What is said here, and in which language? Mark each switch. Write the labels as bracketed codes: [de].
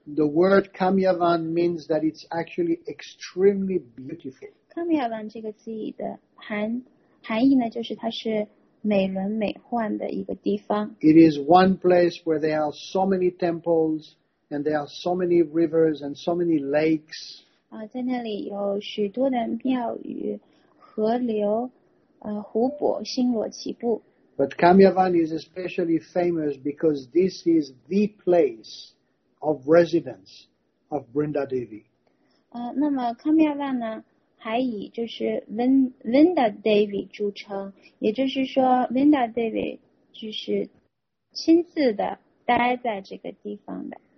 [en] And the word Kamyavan means that it's actually extremely beautiful. [zh] Kamyavan 这个字的含义呢，就是它是美轮美奂的一个地方。 [en] It is one place where there are so many temples, and there are so many rivers, and so many lakes. [zh] 在那里有许多的庙宇、河流、湖泊、星罗棋布。 [en] But Kamyavan is especially famous because this is the place of residence of Vrinda Devi. [zh] 那么 Kamyavan 呢？还以就是 Vrinda Devi 著称，也就是说 Vrinda Devi 就是亲自的待在这个地方的。